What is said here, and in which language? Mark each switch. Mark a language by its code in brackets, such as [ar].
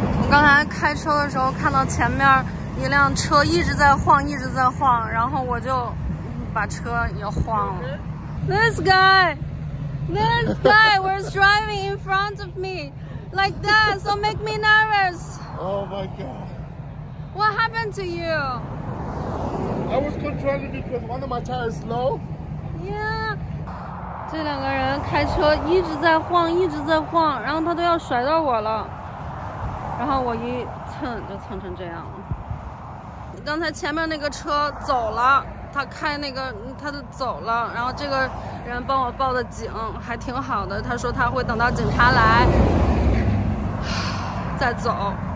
[zh] 刚才开车的时候看到前面一辆车一直在晃一直在晃，然后我就把车也晃了。 [en] This guy was driving in front of me like that, so make me nervous. Oh my god. What happened to you? I was controlling because one of my tires is low. Yeah. [zh] 这两个人开车一直在晃一直在晃，然后他都要甩到我了。然后我一蹭就蹭成这样了。刚才前面那个车走了，他开那个他就走了，然后这个人帮我报的警还挺好的，他说他会等到警察来再走。